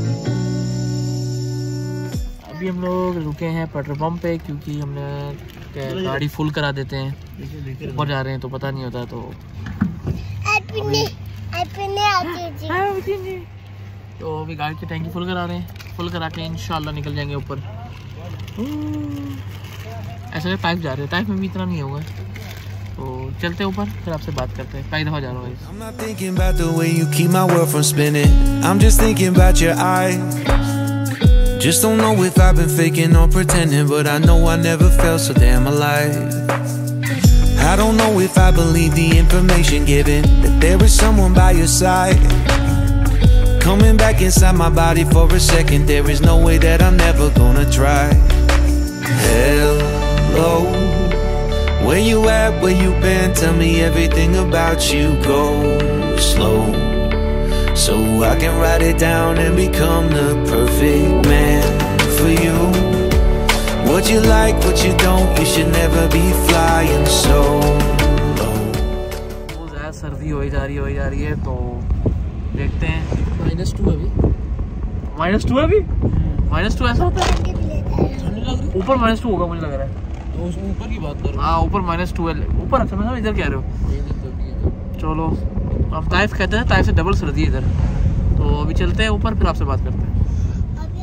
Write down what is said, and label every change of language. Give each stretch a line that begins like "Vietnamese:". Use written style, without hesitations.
Hindi: हम लोग रुके हैं पेट्रोल पंप पे, क्योंकि हमने गाड़ी फुल करा देते हैं, ऊपर जा रहे हैं तो पता नहीं होता, तो अभी गाड़ी की टैंकी फुल करा रहे हैं, फुल करा के इंशाल्लाह निकल जाएंगे ऊपर। ऐसा भी पाइप जा रहे हैं, पाइप में भी इतना नहीं होगा, तो चलते ऊपर फिर आपसे बात करते हैं। कई दफा जा रहा हूँ।
English: I'm not thinking about the way you keep my world from spinning. I'm just thinking about your eyes. Just don't know if I've been faking or pretending, but I know I never felt so damn alive. I don't know if I believe the information given, that there is someone by your side. Coming back inside my body for a second, there is no way that I'm never gonna try. Hello, where you at, where you been, tell me everything about you, go slow. So I can write it down and become the perfect man for you. What you like, what you don't, you should never be flying solo.
Hindi: वो ज़्यादा सर्दी हो ही जा रही है, तो देखते हैं। -2 अभी। -2 अभी? -2 ऐसा होता है? ऊपर -2 होगा मुझे लग रहा है। तो ऊपर की बात कर रहा हूँ। हाँ ऊपर -2 है। ऊपर अच्छा, मैं इधर कह रहे हो? चलो। अब ताइफ कहते हैं, ताइफ से डबल सर्दी इधर, तो अभी चलते हैं ऊपर फिर आपसे बात करते हैं।